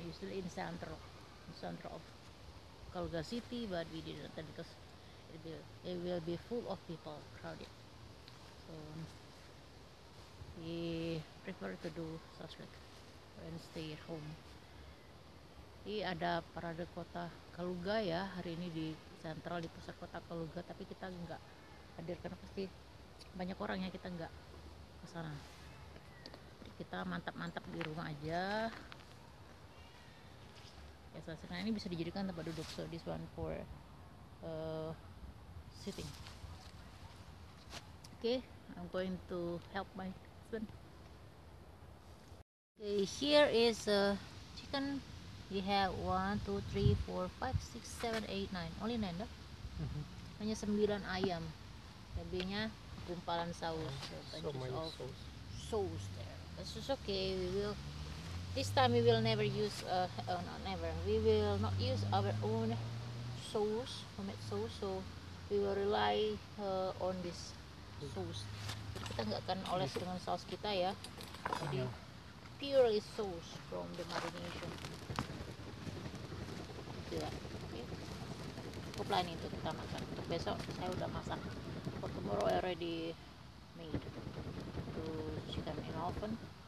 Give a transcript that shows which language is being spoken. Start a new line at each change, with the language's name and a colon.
English: It's still in center of Kolga City, but we didn't attend because it will be full of people, crowded. So we prefer to do shashlik and stay at home.
Indonesian: Ini ada parade kota Kaluga ya hari ini di sentral di pusat kota Kaluga, tapi kita enggak hadir karena pasti banyak orang ya, kita enggak ke sana. Kita mantap-mantap di rumah aja. Ya, sebenarnya ini bisa dijadikan tempat duduk,
English: so this one for sitting. Okay, I'm going to help my husband. Okay, here is a chicken. We have 1, 2, 3, 4, 5, 6, 7, 8, 9. Only 9, no? Mm-hmm.
Indonesian: Hanya 9 ayam. Lebihnya gumpalan saus.
English: So much sauce there. This is okay. We will. This time we will never use. We will not use our own sauce, homemade sauce, so we will rely on this sauce.
Indonesian: Jadi kita enggak akan oles dengan saus kita ya. Jadi
English: purely sauce from the marination.
Indonesian: Gitu ya. Cukup lah ini untuk kita makan. Untuk besok saya udah masak.
English: For tomorrow I already made the chicken in oven.